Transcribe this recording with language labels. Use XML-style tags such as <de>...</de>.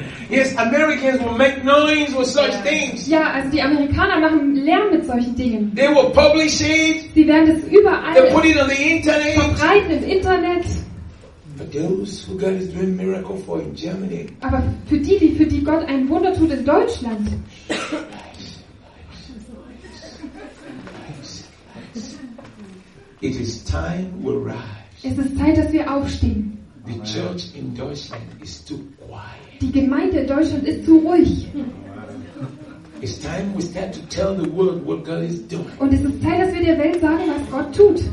<en>Yes, Americans will make noise with such things.</en> <de>Ja, also die Amerikaner machen Lärm mit solchen Dingen.</de> <en>They will publish it.</en> <de>Sie werden das überall.</de> <en>They put it on the internet.</en> <de>Verbreiten im Internet.</de> <en>But those who God is doing miracle for in Germany.</en> <de>Aber für die Gott ein Wunder tut in Deutschland.</de> <en>It is time we rise.</en> <de>Es ist Zeit, dass wir aufstehen.</de> <en>The church in Deutschland is too quiet.</en> <de>Die Gemeinde in Deutschland ist zu ruhig.</de> <en>It's time we start to tell the world what God is doing.</en> <de>Und es ist Zeit, dass wir der Welt sagen, was Gott tut.</de>